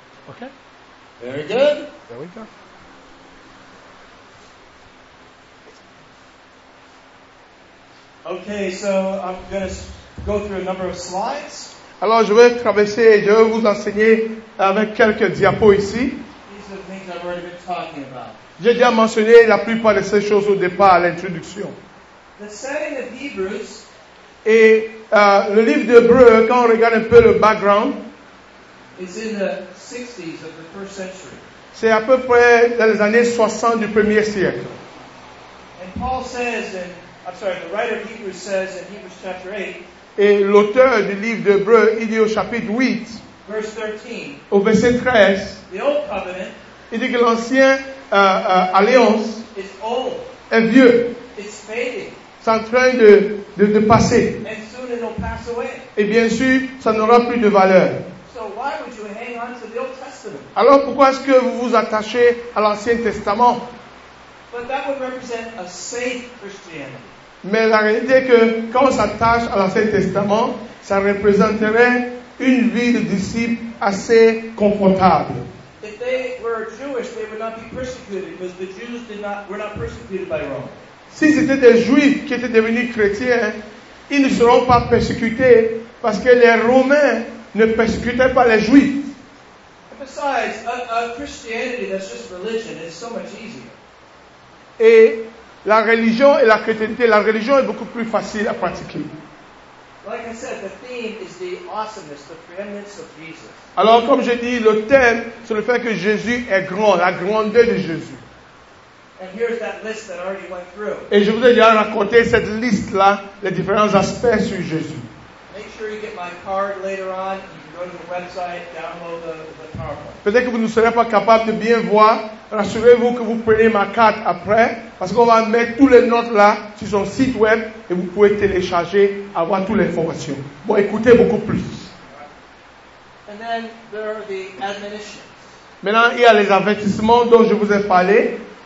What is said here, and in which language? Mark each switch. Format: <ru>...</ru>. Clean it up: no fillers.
<en>Okay. Very good. There we go. Okay, so I'm going to go through a number of slides.</en> <fr>Alors je vais traverser, je vais vous enseigner avec quelques diapos ici.</fr> <en>These are the things I've already been talking about.</en> <fr>J'ai déjà mentionné la plupart de ces choses au départ à l'introduction.</fr> <en>The setting of Hebrews.</en> <fr>Et le livre d'Hébreux, quand on regarde un peu le background.</fr> <en>It's in the 60s of the first century.</en> <fr>C'est à peu près dans les années 60 du premier siècle.</fr> <en>And Paul says, and I'm sorry, the writer of Hebrews says in Hebrews chapter 8.</en> <fr>Et l'auteur du livre d'Hébreux, il dit au chapitre 8.</fr> <en>Verse 13.</en> <fr>Au verset 13.</fr> <en>The old covenant.</en> <fr>Il dit que l'ancien alliance</fr> <en>is old.</en> <fr>Est vieux.</fr> <en>It's fading.</en> <fr>C'est en train de passer.</fr> <en>And soon it'll pass away.</en> <fr>Et bien sûr, ça n'aura plus de valeur.</fr> <en>So why would you hang on to the Old Testament?</en> <fr>Alors pourquoi est-ce que vous vous attachez à l'Ancien Testament?</fr> <en>But that would represent a safe Christianity.</en> <fr>Mais la réalité est que quand on s'attache à l'Ancien Testament, ça représenterait une vie de disciples assez confortable.</fr> <en>If they were Jewish, they would not be persecuted because the Jews were not persecuted by Rome.</en> <fr>Si c'était des Juifs qui étaient devenus chrétiens, ils ne seront pas persécutés parce que les Romains ne persécutez pas les Juifs.</fr> <en>Besides, a Christianity that's just religion is so much easier.</en> <fr>Et la religion et la chrétienté, la religion est beaucoup plus facile à pratiquer.</fr> <en>Like I said, the theme is the awesomeness, the preeminence of Jesus.</en> <fr>Alors, comme je dis, le thème, c'est le fait que Jésus est grand, la grandeur de Jésus.</fr> <en>And here's that list that I already went through.</en> <fr>Et je vous ai déjà raconté cette liste-là, les différents aspects sur Jésus.</fr> <en>Make sure you get my card later on. You can go to the website, download the PowerPoint.</en> <fr>Peut-être que vous ne serez pas capable de bien voir. Rassurez-vous que vous prenez ma carte après, parce qu'on va mettre tous les notes là sur son site web et vous pouvez télécharger, avoir toutes les informations. Bon, écoutez beaucoup plus.</fr> <en>And then there are the admonitions.</en> <fr>Maintenant, il y a les avertissements dont je vous ai parlé.</fr>